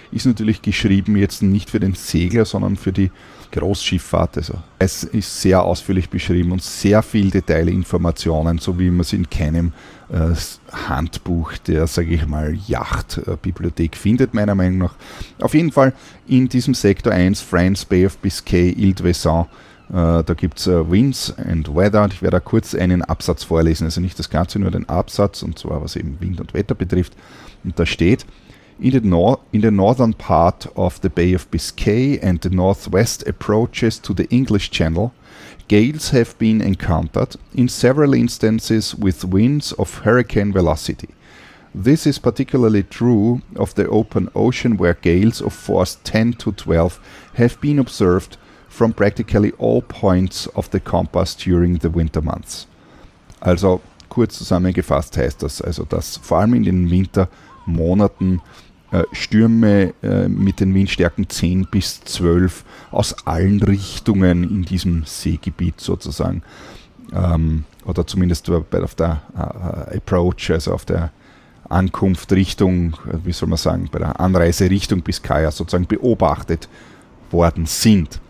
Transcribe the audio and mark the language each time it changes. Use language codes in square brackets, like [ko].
[de] Ist natürlich geschrieben jetzt nicht für den Segler, sondern für die Großschifffahrt, also es ist sehr ausführlich beschrieben und sehr viel Detailinformationen, so wie man es in keinem Handbuch der, sage ich mal, Yachtbibliothek findet, meiner Meinung nach. Auf jeden Fall in diesem Sektor 1, Friends, Bay of Biscay, Île-d'Ouessant, da gibt es [en] Winds and Weather. [de] Ich werde da kurz einen Absatz vorlesen, also nicht das Ganze, nur den Absatz, und zwar was eben Wind und Wetter betrifft. Und da steht: [en] In the northern part of the Bay of Biscay and the northwest approaches to the English Channel, gales have been encountered in several instances with winds of hurricane velocity. This is particularly true of the open ocean, where gales of force 10 to 12 have been observed from practically all points of the compass during the winter months. [de] Also, kurz zusammengefasst heißt das, also dass vor allem in den Wintermonaten Stürme mit den Windstärken 10 bis 12 aus allen Richtungen in diesem Seegebiet sozusagen, oder zumindest auf der Approach, also auf der Ankunft Richtung, wie soll man sagen, bei der Anreise Richtung Biscaya sozusagen beobachtet worden sind.